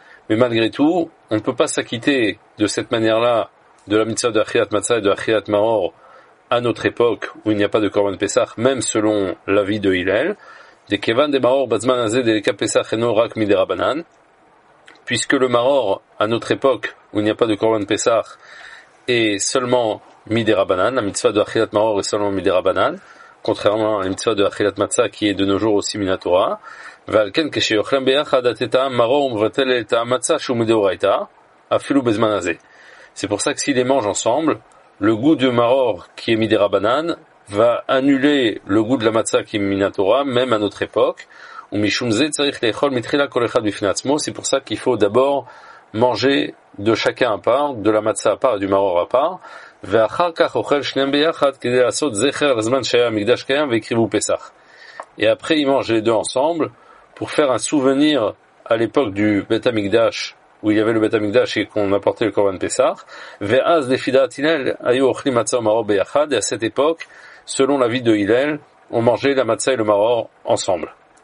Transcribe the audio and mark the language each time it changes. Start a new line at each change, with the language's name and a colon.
French: Mais malgré tout, on ne peut pas s'acquitter de cette manière-là de la mitzvah de Achilat Matzah et de Achilat Maror à notre époque où il n'y a pas de Korban Pesach, même selon l'avis de Hillel, de Kevan de Maror Bazman Azé de Leka Pesach et non Rak Midera Banan, puisque le Maror à notre époque où il n'y a pas de Korban Pesach est seulement Midera Banan, la mitzvah de Achilat Maror est seulement Midera Banan, contrairement à la mitzvah de Achilat Matzah qui est de nos jours aussi Minatora.
Hebrew: ועלכן כשיוכלם ביחד את הטעם מרור ומבטל את המצה שהוא מדאורייתא, אפילו בזמן הזה.
French: C'est pour ça que si les mangent ensemble, le goût de maror qui est midera banan va annuler le goût de la matzah qui est minatora, même à notre époque.
Hebrew: ומשום זה צריך לאכול מתחילה כל אחד בפני עצמו.
French: C'est pour ça qu'il faut d'abord manger de chacun à part, de la matzah à part et du maror à part.
Hebrew: ואחר כך אוכל שניהם ביחד כדי לעשות זכר לזמן שהיה המקדש קיים והקריבו פסח.
French: Et après, ils mangent les deux ensemble pour faire un souvenir à l'époque du Beth Amikdash, où il y avait le Beth Amikdash et qu'on apportait le Korban Pesach.
Hebrew: Ve'az defidat Hillel, ayu ochli matzah maror beyachad.
French: Et à cette époque, selon la vie de Hillel, on mangeait la matzah et le maror ensemble.